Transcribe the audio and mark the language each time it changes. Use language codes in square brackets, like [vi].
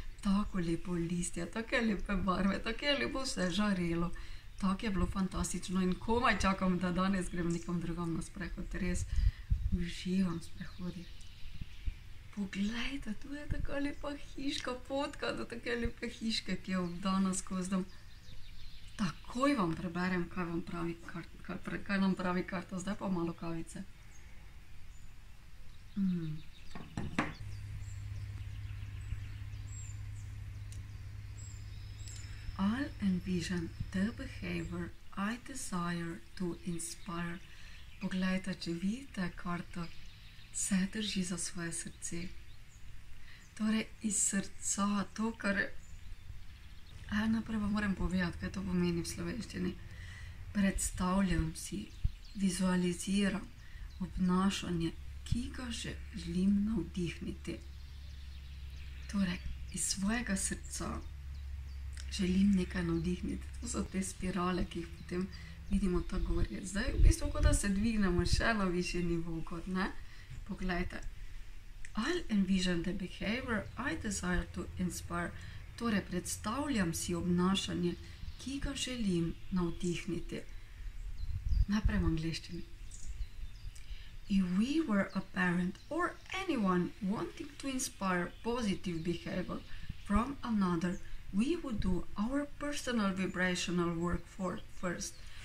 [sl] Tako lepo listje, take lepe barve, tako je lepo vse žarelo. Tako je bilo fantastično in komaj čakam, da danes grem nekam drugam na sprehod. Res uživam sprehodi. Poglejte, tu je taka lepa hiška, potka do take lepe hiške, ki je obdana s gozdom. Takoj vam preberem, kaj vam pravi kaj nam pravi karta. Zdaj pa malo kavice. [en] I'll envision the behavior I desire to inspire. [sl] Poglejte, če vidite karto, se drži za svoje srce. Torej, iz srca, to, kar... najprej vam moram povedati, kaj to pomeni v slovenščini. Predstavljam si, vizualiziram obnašanje, ki ga želim navdihniti. Torej, iz svojega srca želim nekaj navdihniti. To so te spirale, ki jih potem vidimo ta gorje. Zdaj v bistvu, kot da se dvignemo še na višji nivo, kot ne? Poglejte. [en] I'll envision the behavior I desire to inspire. [sl] Torej, predstavljam si obnašanje, ki ga želim navdihniti. Najprej v angleščini. [en] If we were a parent or anyone wanting to inspire positive behavior from another, we would do our personal vibrational work first.